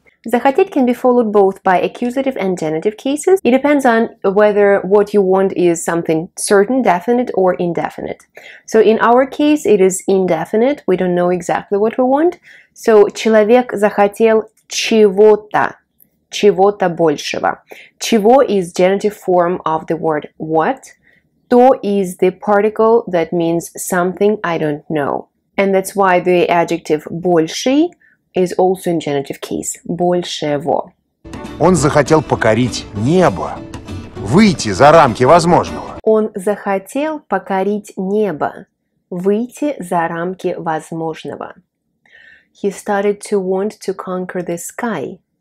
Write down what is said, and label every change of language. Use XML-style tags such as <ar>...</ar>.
<en>Захотеть can be followed both by accusative and genitive cases. It depends on whether what you want is something certain, definite, or indefinite. So in our case, it is indefinite. We don't know exactly what we want.</en> <ru>So человек захотел чего-то, чего-то большего.</ru> <en>Чего is genitive form of the word what. То is the particle that means something I don't know. And that's why the adjective больше is also in genitive case.</en> <ru>Большего. Он захотел покорить небо. Выйти за рамки возможного. Он захотел покорить небо. Выйти за рамки возможного.</ru> <en>He started to want to conquer the sky.</en>